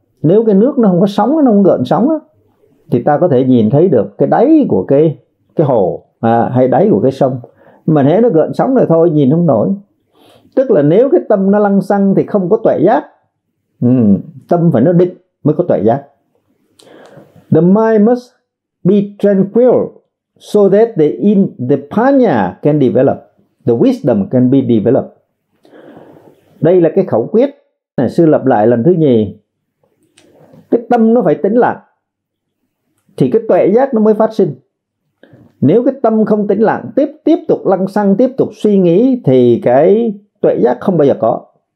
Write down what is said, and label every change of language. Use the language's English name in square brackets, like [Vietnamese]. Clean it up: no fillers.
[Vietnamese] Nếu cái nước nó không có sóng, nó không gợn sóng á, thì ta có thể nhìn thấy được cái đáy của cái hồ hay đáy của cái sông. Mà nếu nó gợn sóng rồi thôi, nhìn không nổi. Tức là nếu cái tâm nó lăng xăng thì không có tuệ giác. Tâm phải nó định mới có tuệ giác. [English] The mind must be tranquil so that the panya can develop, the wisdom can be developed. [Vietnamese] Đây là cái khẩu quyết này, sư lặp lại lần thứ nhì. Cái tâm nó phải tĩnh lặng thì cái tuệ giác nó mới phát sinh. Nếu cái tâm không tĩnh lặng, tiếp tục lăng xăng, tiếp tục suy nghĩ thì cái tuệ giác không bao giờ có.